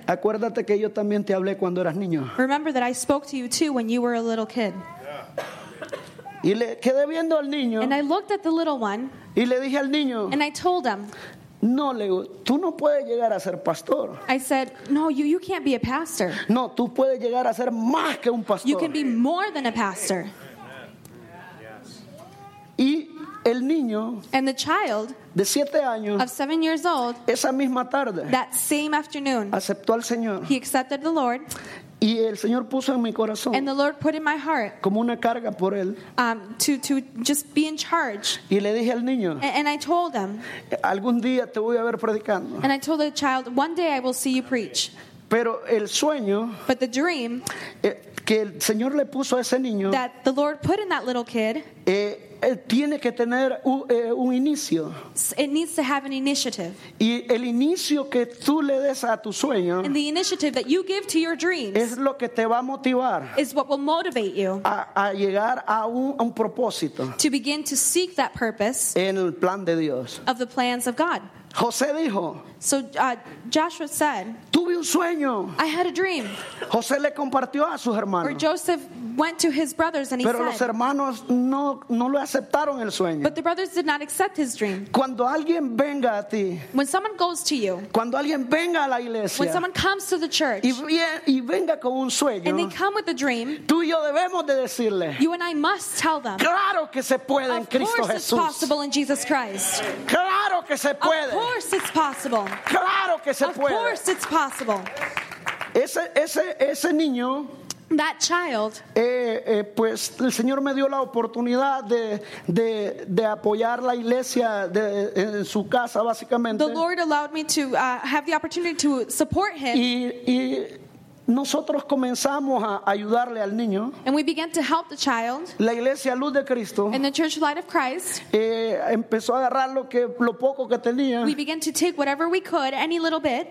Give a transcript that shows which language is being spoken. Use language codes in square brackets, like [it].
[es] acuérdate que yo también te hablé cuando eras niño. [en] Remember that I spoke to you too when you were a little kid. [es] Y le quedé viendo al niño. [en] And I looked at the little one. [es] Y le dije al niño. [en] And I told him. [es] No, le digo, tú no puedes llegar a ser pastor. [en] I said, no, you can't be a pastor. [es] No, tú puedes llegar a ser más que un pastor. [en] You can be more than a pastor. [es] Y el niño, [en] and the child, [es] de 7 años, [en] of 7 years old, [es] esa misma tarde, [en] that same afternoon, [es] aceptó al Señor. [en] He accepted the Lord. [es] Y el Señor puso en mi corazón, [en] and the Lord put in my heart, [es] como una carga por él, [en] to just be in charge. [es] Y le dije al niño, [en] and I told him, [es] algún día te voy a ver predicando. [en] And I told the child, one day I will see you preach. [es] Pero el sueño, [en] but the dream, [es] que el Señor le puso a ese niño, [en] that the Lord put in that little kid, [es] tiene que tener un inicio. [en] It needs to have an initiative. [es] Y el inicio que tú le des a tu sueño, [en] and the initiative that you give to your dreams, [es] es lo que te va a motivar, [en] is what will motivate you, [es] a llegar a un propósito, [en] to begin to seek that purpose, [es] en el plan de Dios, [en] of the plans of God. [es] José dijo, [en] so Joshua said, [es] tuve un sueño. [en] I had a dream. [es] José le compartió a sus hermanos. [en] Or Joseph went to his brothers and he [es] pero [en] said, [es] los hermanos no lo aceptaron el sueño. [en] But the brothers did not accept his dream. [es] Cuando alguien venga a ti, [en] when someone goes to you, [es] cuando alguien venga a la iglesia, [en] when someone comes to the church, [es] y venga con un sueño, [en] and they come with a dream, [es] tú y yo debemos de decirle, [en] you and I must tell them, [es] claro que se puede [en] of [es] en Cristo [en] course [es] Jesús. [en] It's possible in Jesus Christ. [es] Claro que se puede. [en] Of course it's possible. [es] Claro que se [en] of [es] puede. [en] Course it's possible. [es] Ese niño, [en] that child, [es] pues el Señor me dio la oportunidad de apoyar la iglesia en su casa básicamente. [en] The Lord allowed me to have the opportunity to support him. [es] Y nosotros comenzamos a ayudarle al niño. [en] And we began to help the child. [es] La iglesia Luz de Cristo. [en] And the church Light of Christ. [es] Empezó a agarrar lo poco que tenía. [en] We began to take whatever we could, any little bit.